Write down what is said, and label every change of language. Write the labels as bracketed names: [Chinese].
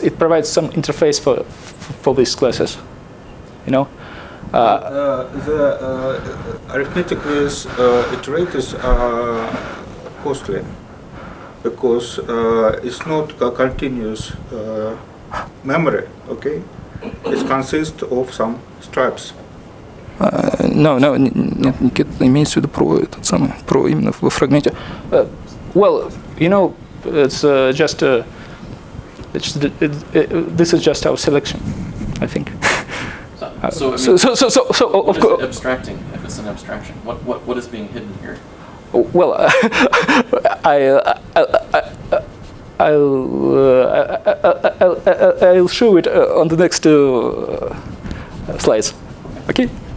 [English] It provides some interface for these classes. You know, the arithmetic with iterators are costly because it's not a continuous memory. Okay, it consists of some stripes. [Russian] Нет, имеется в виду про этот самый, про именно в фрагменте. [English] Well, you know, it's just this is just our selection, I think. Is it abstracting? If it's an abstraction, what is being hidden here? Well, I'll show it on the next slides. Okay.